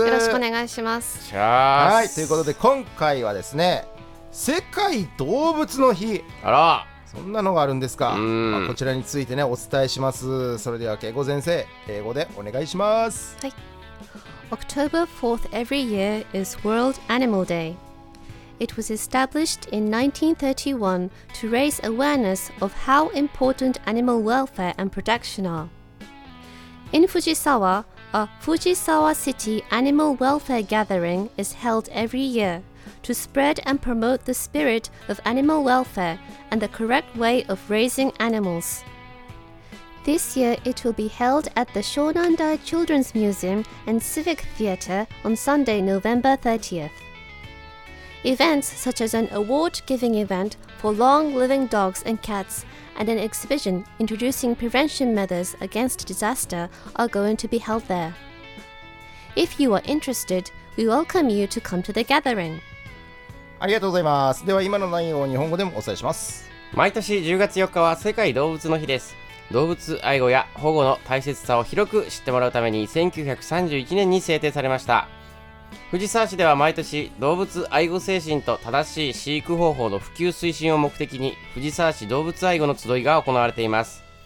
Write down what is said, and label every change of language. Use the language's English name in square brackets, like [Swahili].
[Japanese] よろしくお願いします。はい、ということで今回はですね、世界動物の日、あら、そんなのがあるんですか。こちらについてね、お伝えします。それでは恵子先生、英語でお願いします。 [English] はい。October 4th every year is World Animal Day. It was established in 1931 to raise awareness of how important animal welfare and protection are. In Fujisawa, a Fujisawa City Animal Welfare Gathering is held every year to spread and promote the spirit of animal welfare and the correct way of raising animals. This year it will be held at the Shonandai Children's Museum and Civic Theatre on Sunday, November 30th. Events such as an award-giving event for long-living dogs and cats and an exhibition introducing prevention measures against disaster are going to be held there. If you are interested, we welcome you to come to the gathering. [Japanese] ありがとうございます。では今の内容を日本語でもお伝えします。毎年10月4日は世界動物の日です。動物愛護や保護の大切さを広く知ってもらうために1931年に制定されました。藤沢市では毎年動物愛護精神と正しい飼育方法の普及推進を目的に藤沢市動物愛護の集いが行われています。